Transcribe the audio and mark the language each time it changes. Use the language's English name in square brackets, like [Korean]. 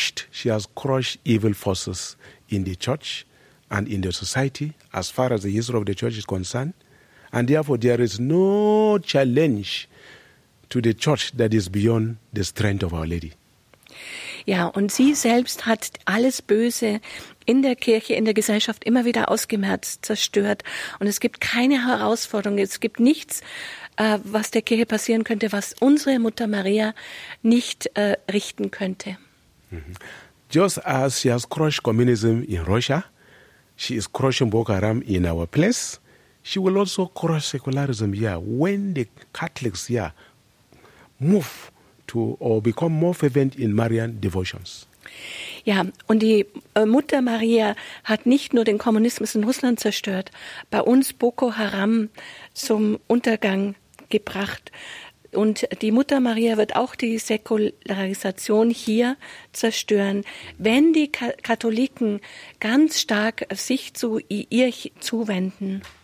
[English] She has crushed evil forces in the church and in the society, as far as the history of the church is concerned. And therefore, there is no challenge to the church that is beyond the strength of Our Lady. [German] Ja, und sie selbst hat alles Böse in der Kirche, in der Gesellschaft immer wieder ausgemerzt, zerstört. Und es gibt keine Herausforderung, es gibt nichts, was der Kirche passieren könnte, was unsere Mutter Maria nicht richten könnte. [English] Just as she has crushed communism in Russia, she is crushing Boko Haram in our place. She will also crush secularism here when the Catholics here move to or become more fervent in Marian devotions. [German] Ja, und die Mutter Maria hat nicht nur den Kommunismus in Russland zerstört, bei uns Boko Haram zum Untergang gebracht. Und die Mutter Maria wird auch die Säkularisation hier zerstören, wenn die Katholiken ganz stark sich zu ihr zuwenden.